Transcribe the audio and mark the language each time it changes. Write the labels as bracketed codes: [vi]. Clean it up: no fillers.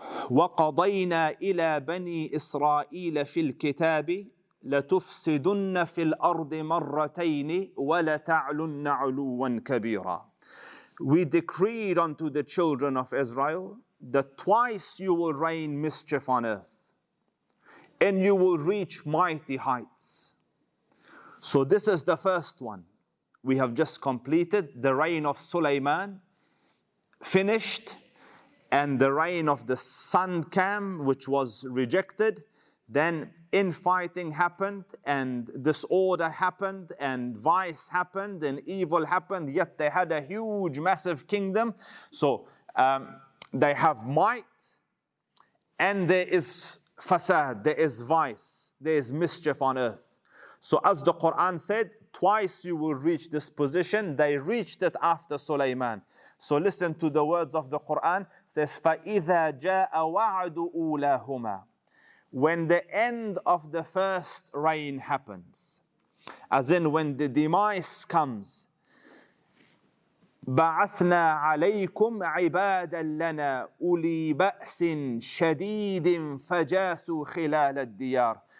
[ar] وقضينا إلى بني إسرائيل في الكتاب لتفسدن في الأرض مرتين ولتعلن علوا كبيرا. [en] We decreed unto the children of Israel that twice you will rain mischief on earth and you will reach mighty heights. So this is the first one. We have just completed the reign of Suleiman, finished, and the reign of the son Cam, which was rejected. Then infighting happened, and disorder happened, and vice happened, and evil happened, yet they had a huge, massive kingdom. So they have might, and there is fasad, there is vice, there is mischief on earth. So as the Quran said, twice you will reach this position. They reached it after Suleiman. So listen to the words of the Quran. It says, [ar] فَإِذَا جَاءَ وَعَدُ أُولَاهُمَا. [en] When the end of the first reign happens, as in when the demise comes, [ar] بَعَثْنَا عَلَيْكُمْ عِبَادًا لَنَا أُولِي بَأْسٍ شَدِيدٍ فَجَاسُوا خِلَالَ الدِّيَارِ.